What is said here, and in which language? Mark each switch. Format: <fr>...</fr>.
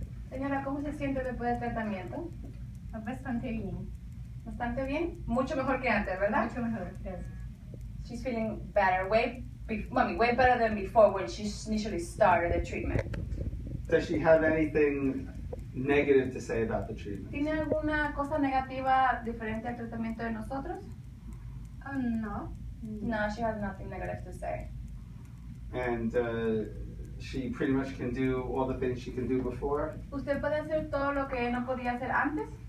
<es>Señora, ¿cómo se siente después del tratamiento? Bastante bien. Bastante bien. Mucho mejor que antes, ¿verdad? Mucho mejor, yes.</es> <en>She's feeling better, way better than before when she initially started the treatment. Does she have anything negative to say about the treatment?</en> <es>¿Tiene alguna cosa negativa diferente al tratamiento de nosotros? No.</es> <en>No, she has nothing negative to say. And she pretty much can do all the things she can do before?</en> <es>¿Usted puede hacer todo lo que no podía hacer antes?</es>